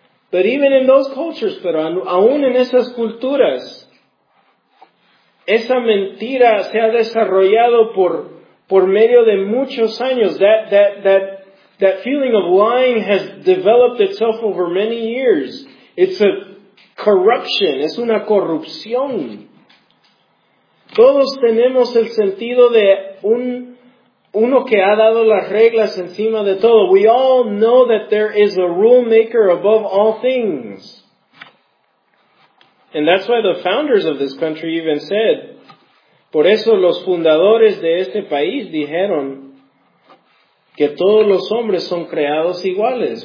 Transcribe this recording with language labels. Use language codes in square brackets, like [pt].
[en] But even in those cultures, [es] pero aún en esas culturas, esa mentira se ha desarrollado por medio de muchos años. [en] That feeling of lying has developed itself over many years. It's a corruption. [es] Es una corrupción. Todos tenemos el sentido de uno que ha dado las reglas encima de todo. [en] We all know that there is a rule maker above all things. And that's why the founders of this country even said, [es] por eso los fundadores de este país dijeron, que todos los hombres son creados iguales.